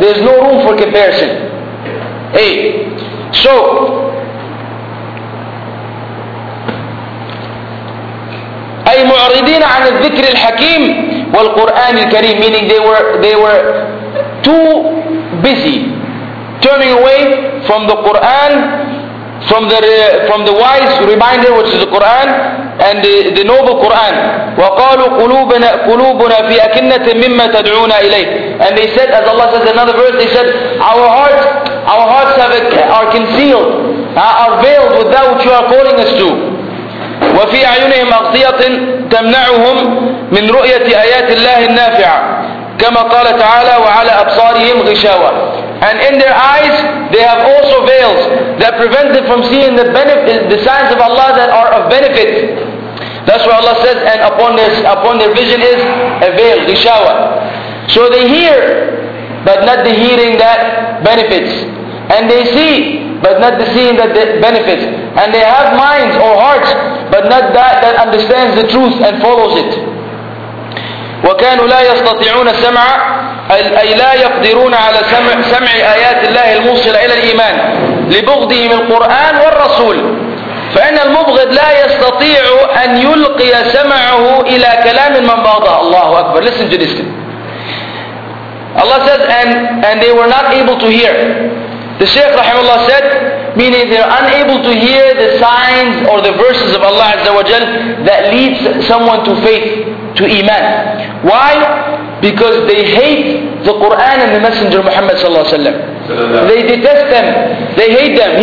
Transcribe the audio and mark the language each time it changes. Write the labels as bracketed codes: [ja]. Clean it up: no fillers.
[en] There is no room for comparison. Hey, so, [ar] أي معرضين عن الذكر الحكيم والقرآن الكريم, [en] meaning they were too busy turning away from the Quran, from the wise reminder which is the Quran and the noble Quran. [ar] وقالوا قلوبنا في أكنة مما تدعونا إليه. [en] And they said, as Allah says in another verse, they said, our hearts are concealed, are veiled with that which you are calling us to. [ar] وفي أعينهم أغطية تمنعهم من رؤية آيات الله النافعة كما قال تعالى وعلى أبصارهم غشاوة. [en] And in their eyes they have also veils that prevent them from seeing the benefit, the signs of Allah that are of benefit. That's what Allah says, and upon their vision is a veil, غشاوة. So they hear, but not the hearing that benefits, and they see, but not the seeing that benefits. And they have minds or hearts, but not that understands the truth and follows it. [ar] وَكَانُوا لَا يَسْتَطِعُونَ السَّمْعَ أَيْ لَا يَقْدِرُونَ عَلَى سَمْعِ آيَاتِ اللَّهِ الْمُوصِلَ إِلَى الْإِيمَانِ لِبُغْضِهِمِ الْقُرْآنِ وَالرَّسُولِ. فإن المبغض لا يستطيع أن يلقي سمعه إلى كلام من بغضه. الله أكبر. [en] Listen to this. Allah says, and they were not able to hear. The Shaykh rahimahullah said, meaning they're unable to hear the signs or the verses of Allah Azza wa Jal that leads someone to faith, to Iman. Why? Because they hate the Quran and the Messenger Muhammad sallallahu alayhi wa sallam. They detest them. They hate them.